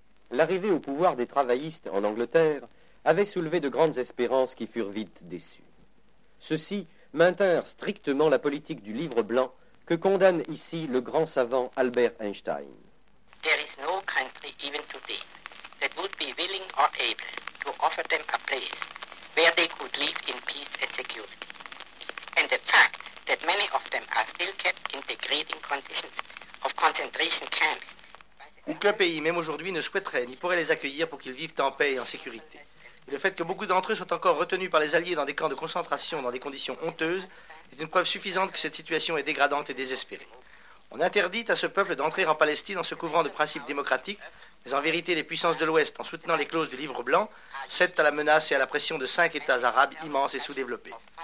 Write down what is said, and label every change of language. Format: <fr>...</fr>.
<fr>L'arrivée au pouvoir des travaillistes en Angleterre avait soulevé de grandes espérances qui furent vite déçues. Ceux-ci maintinrent strictement la politique du livre blanc que condamne ici le grand savant Albert Einstein.</fr> <en>There is no country even today that would be willing or able to offer them a place where they could live in peace and security. And the fact that many of them are still kept in degrading conditions of concentration camps.</en> <fr>Aucun pays, même aujourd'hui, ne souhaiterait ni pourrait les accueillir pour qu'ils vivent en paix et en sécurité. Et le fait que beaucoup d'entre eux soient encore retenus par les Alliés dans des camps de concentration dans des conditions honteuses est une preuve suffisante que cette situation est dégradante et désespérée. On interdit à ce peuple d'entrer en Palestine en se couvrant de principes démocratiques, mais en vérité, les puissances de l'Ouest, en soutenant les clauses du Livre blanc, cèdent à la menace et à la pression de 5 États arabes immenses et sous-développés.</fr>